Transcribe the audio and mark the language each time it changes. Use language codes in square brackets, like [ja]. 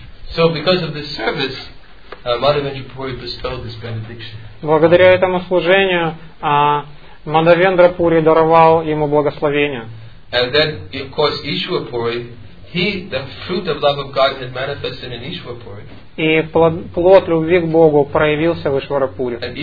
[en] So because of this service, Madhavendra Puri bestowed this benediction. [ru] Благодаря этому служению, Мадхавендра Пури даровал ему благословение. [en] And then, of course, Ishwar Puri, the fruit of love of God had manifested in Ishwar Puri. [ru] И плод любви к Богу проявился в Ишвара Пури.